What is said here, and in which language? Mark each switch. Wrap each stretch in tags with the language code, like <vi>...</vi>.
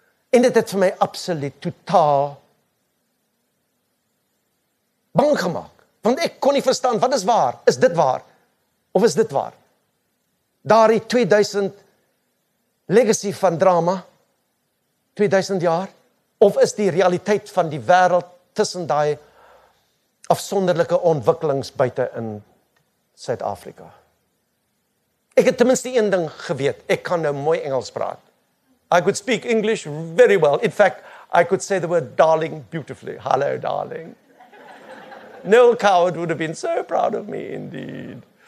<af>En dit het vir my absoluut totaal bang gemaak, want ek kon nie verstaan, wat is waar? Is dit waar? Of is dit waar? Daar die 2000 legacy van drama, 2000 jaar, of is die realiteit van die wêreld tussen die afsonderlike ontwikkelings buite in Suid-Afrika? Ek het tenminste een ding geweet, ek kan nou mooi Engels praat.</af> <en>I could speak English very well. In fact, I could say the word darling beautifully. Hello, darling. Noel Coward would have been so proud of me, indeed.</en>